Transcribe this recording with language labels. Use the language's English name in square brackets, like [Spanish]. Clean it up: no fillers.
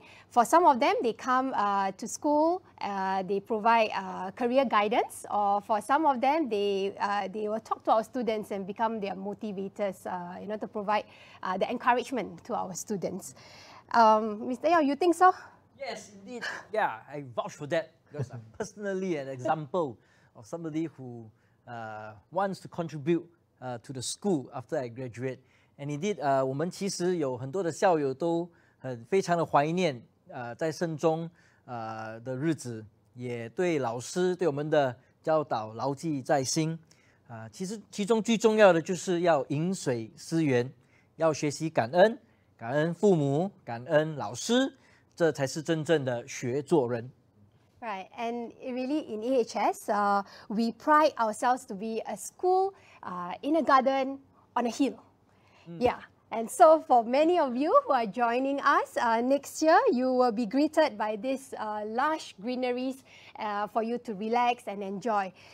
[English] For some of them, they come to school, they provide career guidance, or for some of them, they will talk to our students and become their motivators, to provide the encouragement to our students. Mr. Yao, you think so? Yes, indeed. Yeah, I vouch for that because I'm personally an example of somebody who wants to contribute to the school after I graduate. And indeed, [Chinese] 我们其实有很多的校友都很非常的怀念 在圣中 的日子， 也对老师对我们的教导牢记在心。其实其中最重要的就是要饮水思源， 要学习感恩， 感恩父母， 感恩老师， 这才是真正的学做人。 [English] Right, and really in AHS, we pride ourselves to be a school in a garden on a hill. Yeah, and so for many of you who are joining us next year, you will be greeted by this lush greeneries for you to relax and enjoy.